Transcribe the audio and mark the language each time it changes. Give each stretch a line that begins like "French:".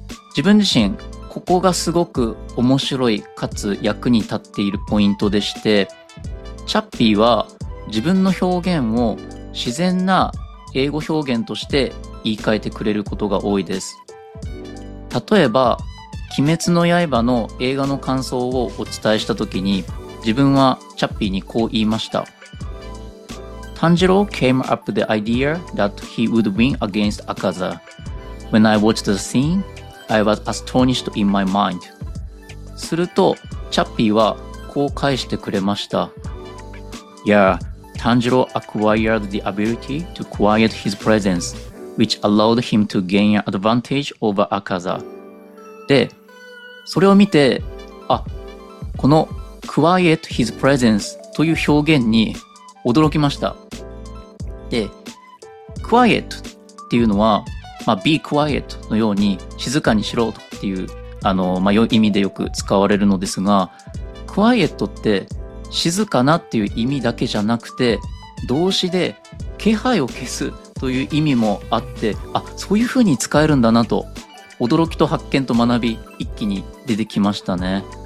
Japanese: 自分自身ここがすごく面白いかつ役に立っているポイントでして、チャッピーは自分の表現を自然な英語表現として言い換えてくれることが多いです。例えば鬼滅の刃の映画の感想をお伝えした時に、自分はチャッピーにこう言いました。
English: Tanjiro came up the idea that he would win against Akaza. When I watched the scene, I was astonished in my mind.
Japanese: すると、チャッピーはこう返してくれました。
English: Yeah, Tanjiro acquired the ability to quiet his presence, which allowed him to gain an advantage over Akaza.
Japanese: で、それを見て、あ、この
English: quiet his presence
Japanese: という表現に驚きました。で、quiet っていうのは、まあ、be quiet のように静かにしろっていう、まあ、良い意味でよく使われるのですが、quiet って静かなっていう意味だけじゃなくて、動詞で気配を消すという意味もあって、あ、そういう風に使えるんだなと、驚きと発見と学び、一気に出てきましたね。